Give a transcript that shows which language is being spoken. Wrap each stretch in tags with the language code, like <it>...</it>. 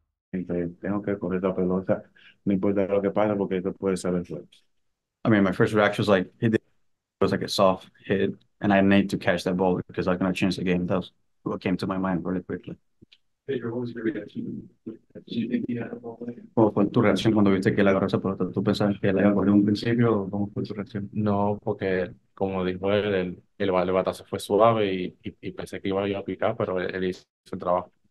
<es>siempre tengo que correr la pelota, no importa lo que pase, porque eso puede ser el juego.</es> <en>I mean, my first reaction was like, hit the, it was like a soft hit, and I need to catch that ball because I'm going to change the game. That was what came to my mind really quickly.</en> <es>Pedro, ¿cuál es tu reacción? ¿Cómo fue tu reacción cuando viste que él agarró esa pelota? ¿Tú pensabas que la iba a poner un principio o cómo fue tu reacción? No, porque como dijo él, el batazo fue suave y pensé que iba yo a picar, pero él hizo su trabajo.</es>